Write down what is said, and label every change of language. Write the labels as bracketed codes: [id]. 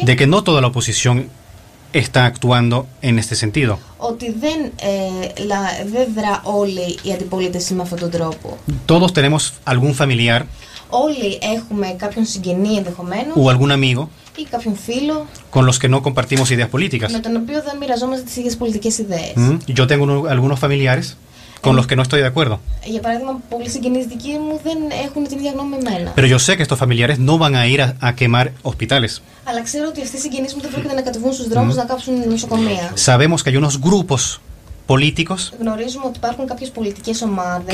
[es] De que no toda la oposición está actuando en este sentido. [el] Ότι δεν δρά όλη η αντιπολίτευση με αυτόν τον τρόπο. [es] Todos tenemos algún familiar. [el] Όλοι έχουμε κάποιον συγγενή ενδεχομένως. [es] O algún amigo. [el] Ή κάποιον φίλο. [es] Con los que no compartimos ideas políticas. [el] Με τον οποίο δεν μοιραζόμαστε τις ίδιες πολιτικές ιδέες. [es] Yo tengo algunos familiares. Con los que no estoy de acuerdo. [el] Για παράδειγμα, πολλοί συγγενείς δικοί μου δεν έχουν την ίδια γνώμη με εμένα. [es] Pero yo sé que estos familiares no van a ir a quemar hospitales. [el] Αλλά ξέρω ότι αυτοί οι συγγενείς μου δεν πρόκειται να κατεβούν στους δρόμους να κάψουν νοσοκομεία. [es] Sabemos que hay unos grupos políticos. [el] Γνωρίζουμε ότι υπάρχουν κάποιες πολιτικές ομάδες.